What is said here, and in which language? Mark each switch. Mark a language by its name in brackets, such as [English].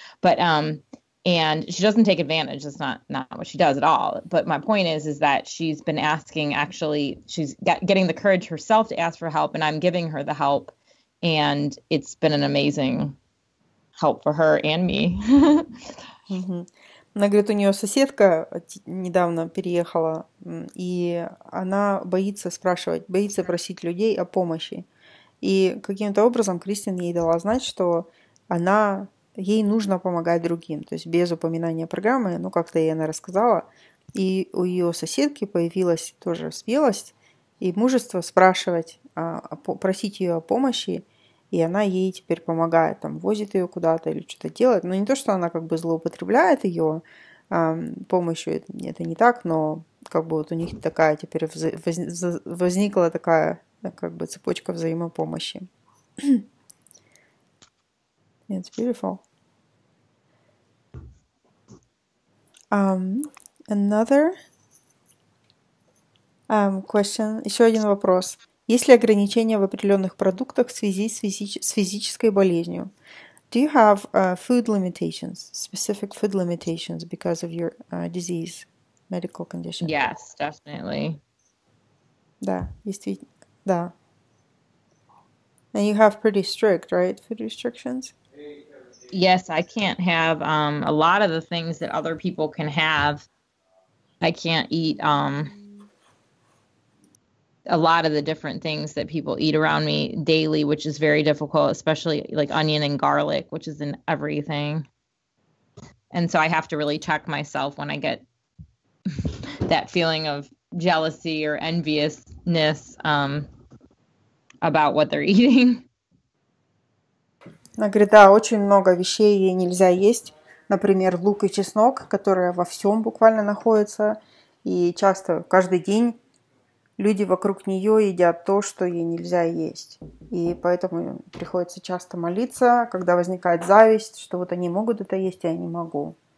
[English] But and she doesn't take advantage. That's not what she does at all. But my point is that she's been asking, actually, she's getting the courage herself to ask for help, and I'm giving her the help. And it's been an amazing help for her and me. Mm-hmm. [Russian] Она говорит, у нее соседка недавно переехала, и она боится спрашивать, боится просить людей о помощи. И каким-то образом Кристин ей дала знать, что она... Ей нужно помогать другим, то есть без упоминания программы, ну, как-то ей она рассказала. И у ее соседки появилась тоже смелость и мужество спрашивать, просить ее о помощи, и она ей теперь помогает, там, возит ее куда-то или что-то делает. Но не то, что она как бы злоупотребляет ее помощью, это не так, но как бы вот у них такая теперь возникла такая как бы цепочка взаимопомощи. [English] It's beautiful. Another question. [Russian] Еще один вопрос. Есть ли ограничения в определенных продуктах в связи с физической болезнью? [English] Do you have food limitations, specific food limitations because of your disease, medical condition? Yes, definitely. [Russian] Да, действительно. Да. [English] And you have pretty strict, right, food restrictions? Yes, I can't have a lot of the things that other people can have. I can't eat a lot of the different things that people eat around me daily, which is very difficult, especially like onion and garlic, which is in everything. And so I have to really check myself when I get that feeling of jealousy or enviousness about what they're eating. [Russian] Она говорит, да, очень много вещей ей нельзя есть. Например, лук и чеснок, которые во всем буквально находятся. И часто, каждый день люди вокруг нее едят то, что ей нельзя есть. И поэтому приходится часто молиться, когда возникает зависть, что вот они могут это есть, а я не могу.